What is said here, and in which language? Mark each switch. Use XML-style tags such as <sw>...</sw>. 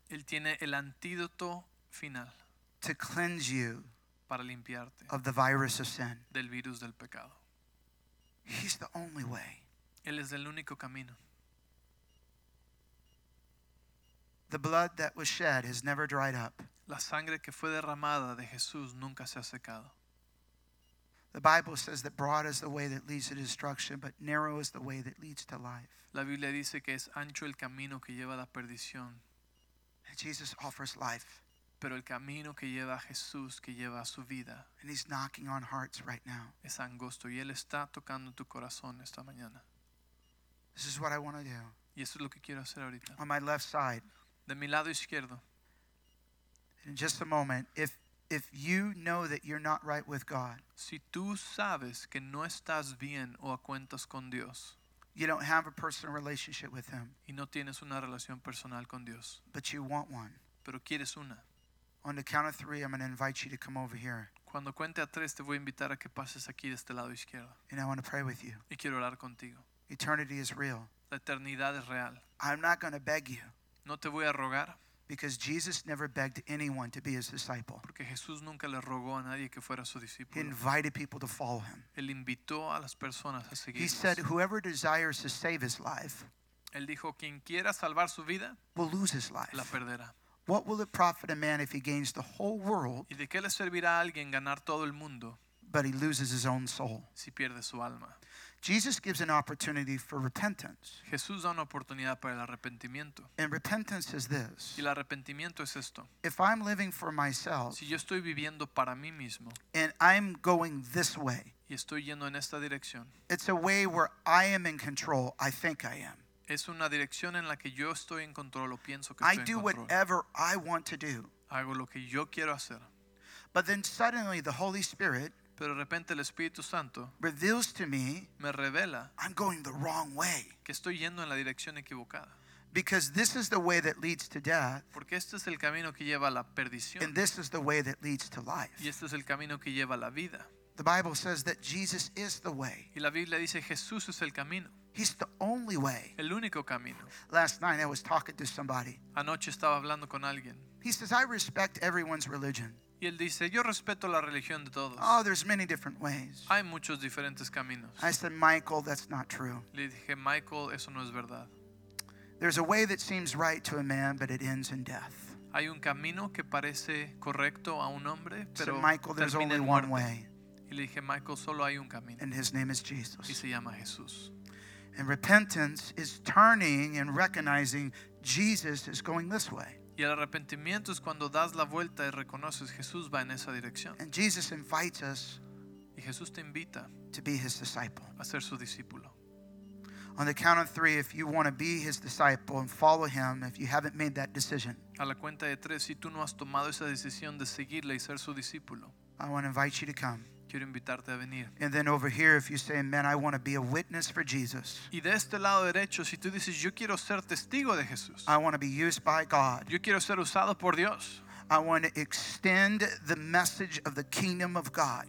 <es>Él tiene el antídoto final.</es> <en>To cleanse you.</en> <es>Para limpiarte.</es> <en>Of the virus of sin.</en> <es>Del virus del pecado.</es> <en>He's the only way.</en> <es>Él es el único camino.</es> <en>The blood that was shed has never dried up.</en> <es>La sangre que fue derramada de Jesús nunca se ha secado.</es> <en>The Bible says that broad is the way that leads to destruction, but narrow is the way that leads to life.</en> <es>La Biblia dice que es ancho el camino que lleva a la perdición.</es> <en>And Jesus offers life.</en> <es>Pero el camino que lleva a Jesús, que lleva a su vida.</es> <en>And he's knocking on hearts right now.</en> <es>Es angosto y él está tocando tu corazón esta mañana.</es> <en>This is what I want to do.</en> <es>Y eso es lo que quiero hacer ahorita.</es> <en>On my left side.</en> <es>De mi lado izquierdo.</es> <en>In just a moment, if you know that you're not right with God.</en> <es>Si tú sabes que no estás bien o a cuentas con Dios.</es> <en>You don't have a personal relationship with him.</en> <es>Y no tienes una relación personal con Dios.</es> <en>But you want one.</en> <es>Pero quieres una.</es> <en>On the count of three, I'm going to invite you to come over here.</en> <es>Cuando cuente a tres, te voy a invitar a que pases aquí de este lado izquierdo.</es> <en>And I want to pray with you.</en> <es>Y quiero orar contigo.</es> <en>Eternity is real.</en> <es>La eternidad es real.</es> <en>I'm not going to beg you.</en> <es>No te voy a rogar.</es> <en>Because Jesus never begged anyone to be his disciple.</en> <es>Porque Jesús nunca le rogó a nadie que fuera su discípulo.</es> <en>He invited people to follow him.</en> <es>Él invitó a las personas a seguirlo.</es> <en>He said, "Whoever desires to save his life,</en> <es>él dijo, quien quiera salvar su vida,</es> <en>will lose his life.</en> <es>La perderá.</es> <en>What will it profit a man if he gains the whole world?</en> <es>¿Y de qué le servirá a alguien ganar todo el mundo?</es> <en>But he loses his own soul.</en> <es>Si pierde su alma.</es> <en>Jesus gives an opportunity for repentance.</en> <es>Jesús da una oportunidad para el arrepentimiento.</es> <en>And repentance is this.</en> <es>Y el arrepentimiento es esto.</es> <en>If I'm living for myself.</en> <es>Si yo estoy viviendo para mí mismo.</es> <en>And I'm going this way.</en> <es>Y estoy yendo en esta dirección.</es> <en>It's a way where I am in control. I think I am.</en> <es>Es una dirección en la que yo estoy en control o pienso que estoy en control.</es> <en>I do whatever I want to do.</en> <es>Hago lo que yo quiero hacer.</es> <en>But then suddenly the Holy Spirit.</en> <es>Pero de repente el Espíritu Santo</es> <en>reveals to me,</en> <es>me revela,</es> <en>I'm going the wrong way.</en> <es>Que estoy yendo en la dirección equivocada.</es> <en>Because this is the way that leads to death.</en> <es>Porque este es el camino que lleva a la perdición.</es> <en>And this is the way that leads to life.</en> <es>Y este es el camino que lleva a la vida.</es> <en>The Bible says that Jesus is the way.</en> <es>Y la Biblia dice Jesús es el camino.</es> <en>He's the only way.</en> <es>El único camino.</es> <en>Last night I was talking to somebody.</en> <es>Anoche estaba hablando con alguien.</es> <en>He says, I respect everyone's religion.</en> <es>Y él dice, yo respeto la religión de todos.</es> <en>Oh, there's many different ways.</en> <es>Hay muchos diferentes caminos.</es> <en>I said, Michael, that's not true.</en> <es>Le dije, Michael, eso no es verdad.</es> <en>There's a way that seems right to a man, but it ends in death.</en> <es>Hay un camino que parece correcto a un hombre, pero</es> <en>so, Michael, there's</en> <es>termina en muerte.</es> <en>One way.</en> <es>Y le dije, Michael, solo hay un camino.</es> <en>And his name is Jesus.</en> <es>Y se llama Jesús.</es> <en>And repentance is turning and recognizing Jesus is going this way.</en> <es>Y el arrepentimiento es cuando das la vuelta y reconoces Jesús va en esa dirección.</es> <en>And Jesus invites us,</en> <es>y Jesús te invita,</es> <en>to be his disciple,</en> <es>a ser su discípulo.</es> <en>On the count of three, if you want to be his disciple and follow him, if you haven't made that decision,</en> <es>a la cuenta de tres, si tú no has tomado esa decisión de seguirle y ser su discípulo,</es> <en>I want to invite you to come.</en> <es>Quiero invitarte a venir.</es> <en>And then over here, if you say, "Man, I want to be a witness for Jesus."</en> <es>Y de este lado derecho, si tú dices, "Yo quiero ser testigo de Jesús."</es> <en>I want to be used by God.</en> <es>Yo quiero ser usado por Dios.</es> <en>I want to extend the message of the kingdom of God.</en>